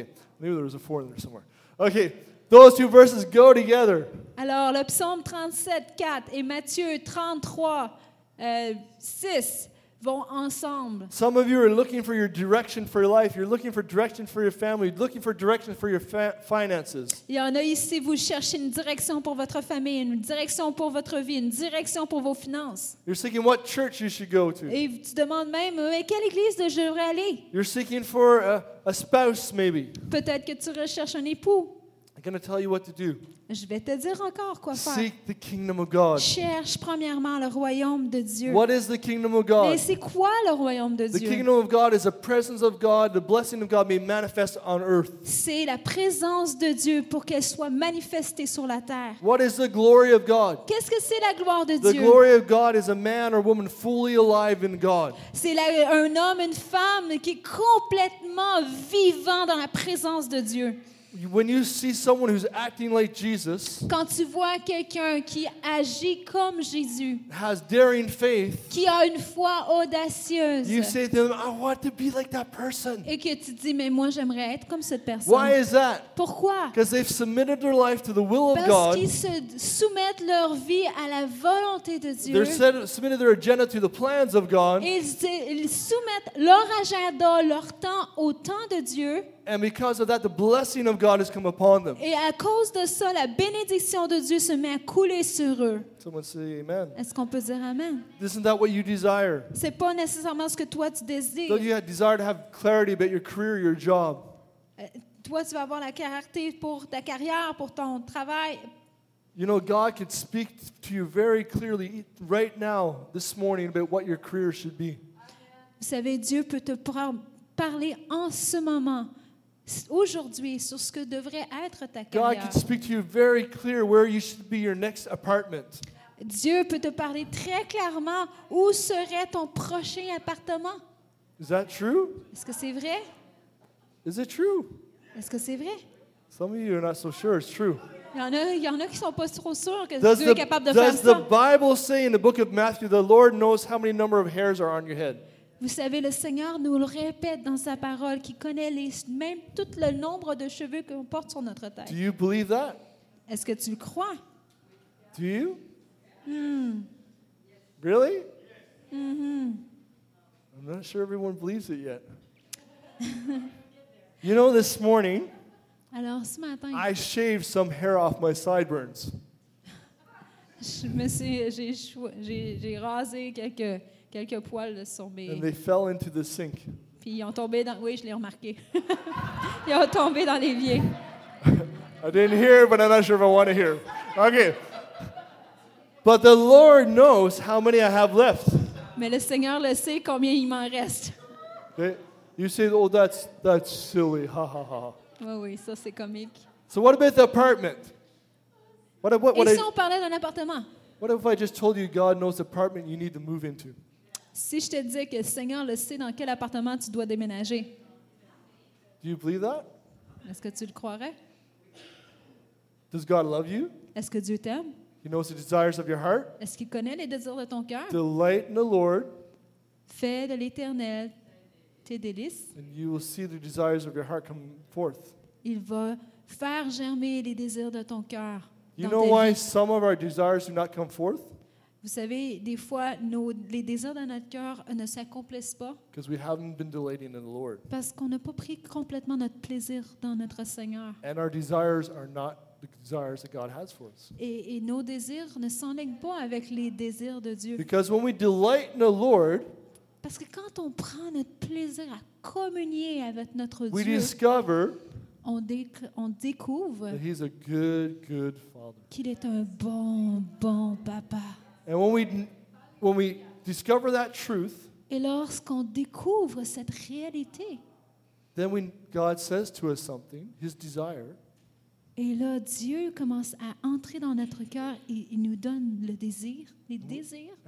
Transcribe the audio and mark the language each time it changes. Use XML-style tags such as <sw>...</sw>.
<en>I knew there was a 4 in there somewhere. Okay. Those two verses go together.</en> <fr>Alors, le psaume 37, 4 et Matthieu 33, 6 vont ensemble.</fr> <en>Some of you are looking for your direction for your life. You're looking for direction for your family. You're looking for direction for your finances.</en> <fr>Il y en a ici, vous cherchez une direction pour votre famille, une direction pour votre vie, une direction pour vos finances.</fr> <en>You're seeking what church you should go to.</en> <fr>Et tu demandes même, mais quelle église je devrais aller?</fr> <en>You're seeking for a spouse, maybe.</en> <fr>Peut-être que tu recherches un époux.</fr> <en>I'm going to tell you what to do.</en> <fr>Je vais te dire encore quoi faire.</fr> <en>Seek the kingdom of God.</en> <fr>Cherche premièrement le royaume de Dieu.</fr> <en>What is the kingdom of God?</en> <fr>Mais c'est quoi le royaume de Dieu?</fr> <en>The kingdom of God is the presence of God, the blessing of God made manifest on earth.</en> <fr>C'est la présence de Dieu pour qu'elle soit manifestée sur la terre.</fr> <en>What is the glory of God?</en> <fr>Qu'est-ce que c'est la gloire de Dieu?</fr> <en>The glory of God is a man or woman fully alive in God.</en> <fr>C'est un homme, une femme qui est complètement vivant dans la présence de Dieu.</fr> <en>When you see someone who's acting like Jesus,</en> <fr>quand tu vois quelqu'un qui agit comme Jésus,</fr> <en>has daring faith,</en> <fr>qui a une foi audacieuse,</fr> <en>you say to them, "I want to be like that person."</en> <fr>Et que tu dis, mais moi j'aimerais être comme cette personne.</fr> <en>Why is that?</en> <fr>Pourquoi?</fr> <en>Because they've submitted their life to the will</en> <fr>parce</fr> <en>of God.</en> <fr>Parce qu'ils se soumettent leur vie à la volonté de Dieu.</fr> <en>They've submitted their agenda to the plans of God.</en> <fr>Ils soumettent leur agenda, leur temps au temps de Dieu.</fr> <en>And because of that, the blessing of God has come upon them.</en> <fr>Et à cause de ça, la bénédiction de Dieu se met à couler sur eux.</fr> <en>Someone say amen.</en> <fr>Est-ce qu'on peut dire amen?</fr> <en>Isn't that what you desire?</en> <fr>C'est pas nécessairement ce que toi tu désires.</fr> <en>Don't you desire to have clarity about your career, your job?</en> <fr>Toi, tu vas avoir la clarté pour ta carrière, pour ton travail.</fr> <en>You know, God could speak to you very clearly right now, this morning, about what your career should be.</en> <fr>Vous savez, Dieu peut te parler en ce moment. Aujourd'hui, sur ce que devrait être ta carrière.</fr> <en>God can speak to you very clear where you should be your next apartment.</en> <fr>Dieu peut te parler très clairement où serait ton prochain appartement.</fr> <en>Is that true?</en> <fr>Est-ce que c'est vrai?</fr> <en>Is it true?</en> <fr>Est-ce que c'est vrai?</fr> <en>Some of you are not so sure it's true.</en> <fr>Il y en a qui sont pas trop sûrs que Dieu est capable de faire ça.</fr> <en>Does the Bible say in the book of Matthew, the Lord knows how many number of hairs are on your head?</en> <fr>Vous savez, le Seigneur nous le répète dans sa parole, qui connaît même tout le nombre de cheveux qu'on porte sur notre tête.</fr> <en>Do you believe that?</en> <fr>Est-ce que tu le crois?</fr> <en>Do you? Mm. Really? Mm-hmm. I'm not sure everyone believes it yet. You know, this morning,</en> <fr>alors, ce matin,</fr> <en>I shaved some hair off my sideburns.</en> <fr>j'ai rasé quelques poils sur mes...</fr> <en>And they fell into the sink.</en> <fr>Puis ils ont tombé dans... Oui, je l'ai remarqué. Ils ont tombé dans l'évier.</fr> <en>I didn't hear, but I'm not sure if I want to hear. Okay. But the Lord knows how many I have left.</en> <fr>Mais le Seigneur le sait combien il m'en reste.</fr> <en>Okay. You say, oh, that's silly. Ha, ha, ha.</en> <fr>Oui, oui, ça, c'est comique.</fr> <en>So what about the apartment?</en> <fr>Et si on parlait d'un appartement?</fr> <en>What if I just told you God knows the apartment you need to move into?</en> <fr>Si je te disais que le Seigneur le sait dans quel appartement tu dois déménager.</fr> <en>Do you believe that?</en> <fr>Est-ce que tu le croirais?</fr> <en>Does God love you?</en> <fr>Est-ce que Dieu t'aime?</fr> <en>He knows the desires of your heart?</en> <fr>Est-ce qu'il connaît les désirs de ton cœur?</fr> <en>Delight in the Lord.</en> <fr>Fais de l'Éternel tes délices.</fr> <en>And you will see the desires of your heart come forth.</en> <fr>Il va faire germer les désirs de ton cœur.</fr> <en>You know why some of our desires do not come forth?</en> <fr>Vous savez, des fois, les désirs de notre cœur ne s'accomplissent pas.</fr> <en>Because we haven't been delighting in the Lord.</en> <fr>Parce qu'on n'a pas pris complètement notre plaisir dans notre Seigneur.</fr> <en>And our desires are not the desires that God has for us.</en> <fr>Et nos désirs ne s'enlignent pas avec les désirs de Dieu.</fr> <en>Because when we delight in the Lord,</en> <fr>parce que quand on prend notre plaisir à communier avec notre Dieu,</fr> <en>we discover.</en> <fr>On découvre</fr> <en>that he's a good, good father.</en> <fr>Qu'il est un bon, bon papa.</fr> <en>And when we discover that truth,</en> <fr>et lorsqu'on découvre cette réalité,</fr> <en>then when God says to us something, his desire,</en> <fr>et là, Dieu commence à entrer dans notre cœur et il nous donne le désir, les désirs.</fr>